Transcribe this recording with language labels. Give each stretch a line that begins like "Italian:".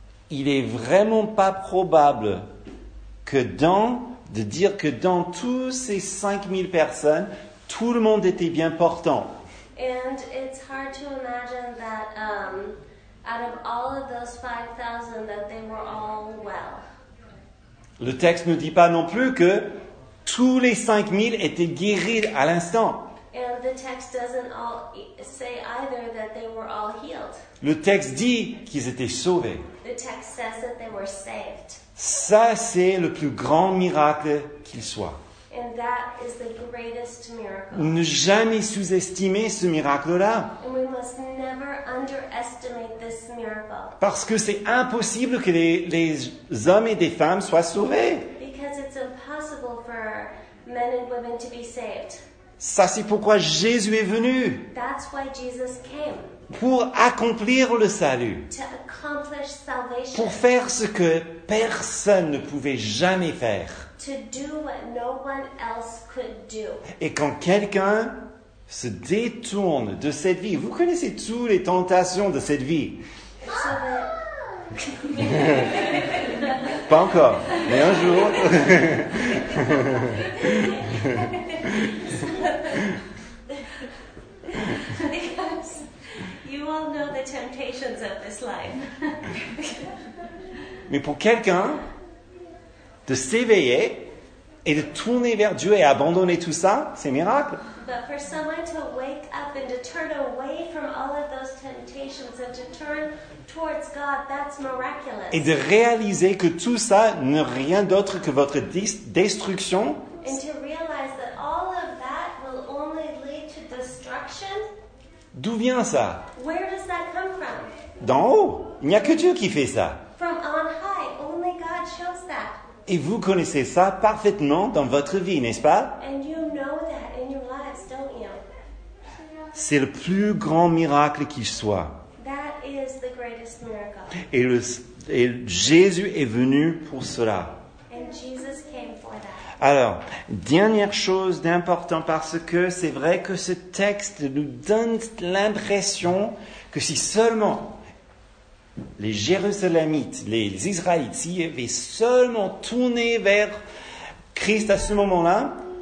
French: Il est vraiment pas probable que dans tous ces 5 000 personnes, tout le monde était bien portant.
English: And it's hard to imagine that out of all of those 5,000 that they were all well.
French: Le texte ne dit pas non plus que tous les 5 000 étaient guéris à l'instant.
English: And the text doesn't all say either that they were all healed.
French: Le texte dit qu'ils étaient sauvés.
English: The text says that they were saved.
French: Ça, c'est le plus grand miracle qu'il soit.
English: And that is the greatest miracle.
French: Ne jamais sous-estimer ce miracle-là.
English: And we must never underestimate this miracle.
French: Parce que c'est impossible que les hommes et des femmes soient sauvés.
English: Because it's impossible for men and women to be saved.
French: Ça, c'est pourquoi Jésus est venu.
English: That's why Jesus came.
French: Pour accomplir le salut.
English: To accomplish salvation.
French: Pour faire ce que personne ne pouvait jamais faire.
English: To do what no one else could do.
French: Et quand quelqu'un se détourne de cette vie, vous connaissez toutes les tentations de cette vie.
English: So that...
French: Pas encore, mais un jour.
English: Because you all know the temptations of this life.
French: Mais pour quelqu'un de s'éveiller et de tourner vers Dieu et abandonner tout ça, c'est miracle.
English: But for someone to wake up and to turn away from all of those temptations and to turn towards God, that's miraculous.
French: Et de réaliser que tout ça n'est rien d'autre que votre destruction.
English: And to realize that all of that will only lead to destruction.
French: D'où vient ça?
English: Where does that come from?
French: D'en haut. Il n'y a que Dieu qui fait ça.
English: From on high, only God shows that.
French: Et vous connaissez ça parfaitement dans votre vie, n'est-ce pas?
English: And you know that in your lives, don't you?
French: C'est le plus grand miracle qui soit.
English: That is the greatest miracle.
French: Et Jésus est venu pour cela.
English: And Jesus came for that.
French: Alors, dernière chose d'important, parce que c'est vrai que ce texte nous donne l'impression que si seulement les Jérusalemites, les Israélites, s'ils avaient seulement tourné vers Christ à ce moment-là.